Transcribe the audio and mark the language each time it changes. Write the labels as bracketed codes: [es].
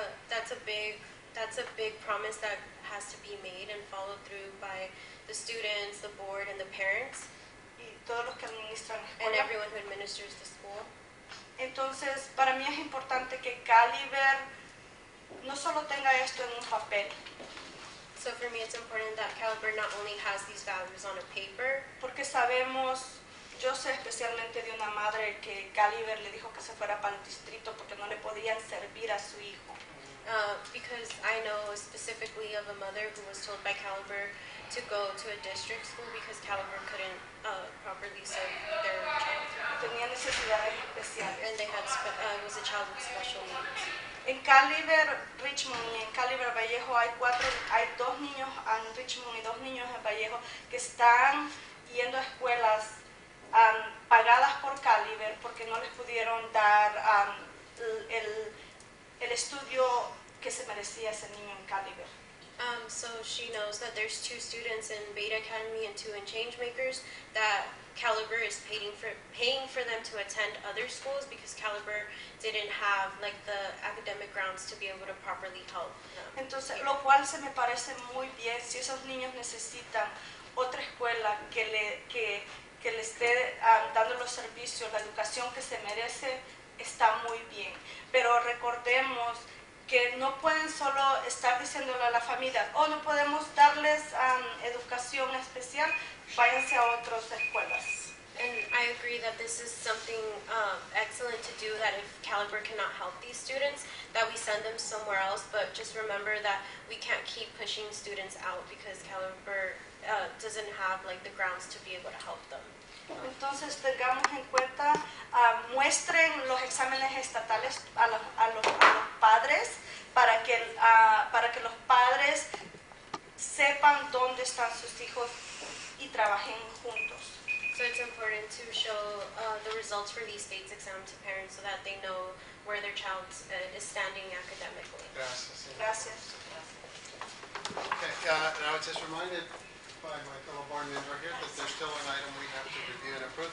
[en] That's a big promise that has to be made and followed through by the students, the board, and the parents. [es] Y todos los que administran la escuela. [en] And everyone who administers the school. [es] Entonces, para mí es importante que Caliber no solo tenga esto en un papel. [en] So for me, it's important that Caliber not only has these values on a paper. [es] Porque sabemos, yo sé especialmente de una madre que Caliber le dijo que se fuera para el distrito porque no le podían servir a su hijo. [en] Because I know specifically of a mother who was told by Caliber to go to a district school because Caliber couldn't properly serve their child. [es] Tenía necesidades especiales. [en] And they had was a child with special needs. [es] En Caliber Richmond y en Caliber Vallejo hay dos niños en Richmond y dos niños en Vallejo que están yendo a escuelas pagadas por Caliber porque no les pudieron dar el estudio que se merecía ese niño en Caliber. [en] So she knows that there's two students in Beta Academy and two in Changemakers that Caliber is paying for them to attend other schools because Caliber didn't have like the academic grounds to be able to properly help them. [es] Entonces, lo cual se me parece muy bien si esos niños necesitan otra escuela que le esté dando los servicios, la educación que se merece, está muy bien. Pero recordemos que no pueden solo estar diciéndole a la familia, oh, no podemos darles educación especial, váyanse a otras escuelas. [en] And I agree that this is something excellent to do, that if Caliber cannot help these students, that we send them somewhere else. But just remember that we can't keep pushing students out because Caliber doesn't have like the grounds to be able to help them. [es] Entonces tengamos en cuenta, muestren los exámenes estatales a los padres para que los padres sepan dónde están sus hijos y trabajen juntos. [en] So it's important to show the results for these state exams to parents so that they know where their child is standing academically. [es] Gracias. [en] Okay, and I was just reminded by my fellow board member here that there's still an item we have to review and approve.